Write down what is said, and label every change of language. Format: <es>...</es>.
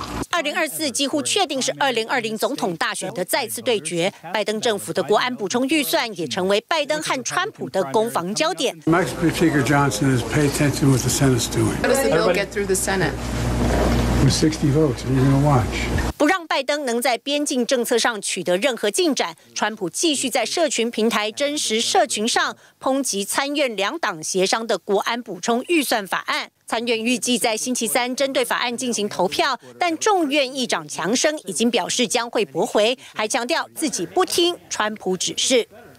<zh>2024几乎确定是2020总统大选的再次对决，拜登政府的国安补充预算也成为拜登和川普的攻防焦点。</zh> <en>Speaker Johnson is pay attention to what the Senate's doing. How does the bill get through the Senate? With 60 votes, you're going to watch.</en> <zh>拜登能在边境政策上取得任何进展，川普继续在社群平台真实社群上抨击参院两党协商的国安补充预算法案。参院预计在星期三针对法案进行投票，但众院议长强生已经表示将会驳回，还强调自己不听川普指示。</zh>